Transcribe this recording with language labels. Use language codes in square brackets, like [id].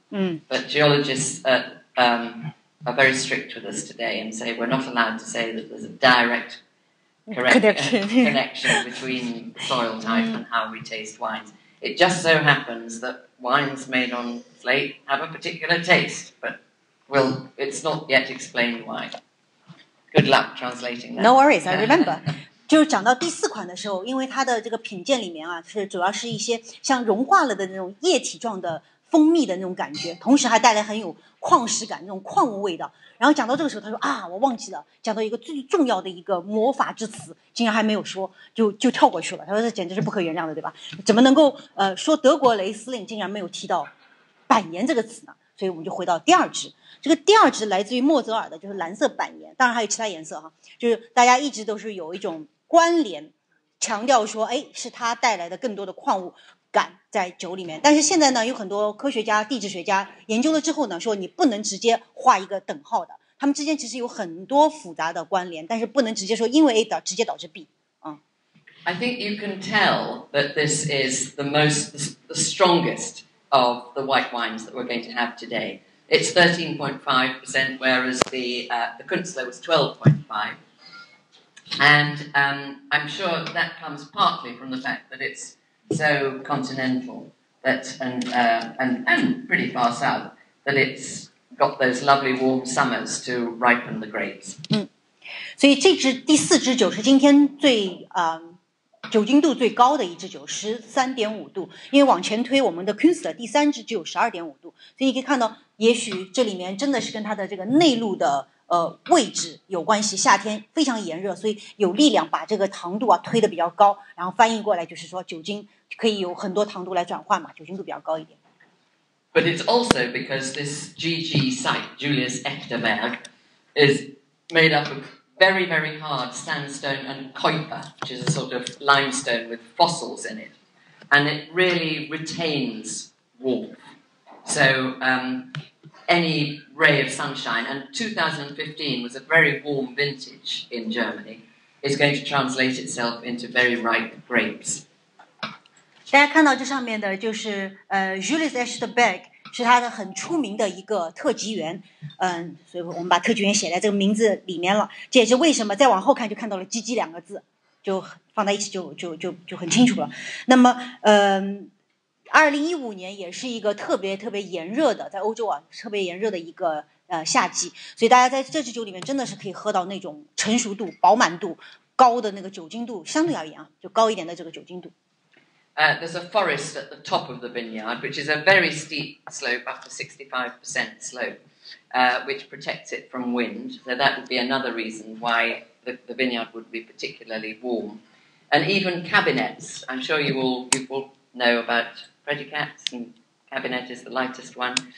[en] But geologists are very strict with us today and say we're not allowed to say that there's a direct connection between soil type and how we taste wines. It just so happens that wines made on slate have a particular taste, but well, it's not yet explained why. Good luck translating that. No worries, I remember. [zh] 就是讲到第四款的时候，因为它的这个品鉴里面啊，是主要是一些像融化了的那种液体状的蜂蜜的那种感觉，同时还带来很有矿石感那种矿物味道。然后讲到这个时候，他说啊，我忘记了讲到一个最重要的一个魔法之词，竟然还没有说，就跳过去了。他说这简直是不可原谅的，对吧？怎么能够说德国雷司令竟然没有提到板岩这个词呢？所以我们就回到第二支，这个第二支来自于莫泽尔的，就是蓝色板岩，当然还有其他颜色哈，就是大家一直都是有一种关联，强调说哎是它带来的更多的矿物感在酒里面。但是现在呢，有很多科学家、地质学家研究了之后呢，说你不能直接画一个等号的，他们之间其实有很多复杂的关联，但是不能直接说因为 A 导直接导致 B。 [en] I think you can tell that this is the most the strongest of the white wines that we're going to have today. It's 13.5%, whereas the Künstler was 12.5%. And I'm sure that comes partly from the fact that it's so continental that and pretty far south that it's got those lovely warm summers to ripen the grapes. [zh] 所以这支第四支酒是今天最酒精度最高的一支酒，13.5度。因为往前推，我们的 Künstler 第三支只有12.5度，所以你可以看到，也许这里面真的是跟它的这个内陆的位置有关系，夏天非常炎热，所以有力量把这个糖度啊推得比较高，然后翻译过来就是说酒精可以有很多糖度来转换嘛，酒精度比较高一点。 [en] But it's also because this GG site, Julius Echterberg, is made up of very, very hard sandstone and Kuiper, which is a sort of limestone with fossils in it. And it really retains warmth. So, any ray of sunshine, and 2015 was a very warm vintage in Germany, is going to translate itself into very ripe grapes. [zh] 大家看到这上面的就是Julius Eschenbeck是他的很出名的一个特级园，所以我们把特级园写在这个名字里面了。这也是为什么再往后看就看到了"鸡鸡"两个字，就放在一起就很清楚了。那么，2015年也是一个特别特别炎热的，在欧洲啊特别炎热的一个夏季，所以大家在这支酒里面真的是可以喝到那种成熟度、饱满度高的那个酒精度，相对而言啊就高一点的这个酒精度。 [en] There's a forest at the top of the vineyard, which is a very steep slope, up to 65% slope, which protects it from wind. So that would be another reason why the vineyard would be particularly warm. And even cabinets, I'm sure you all know about predicats, and cabinet is the lightest one.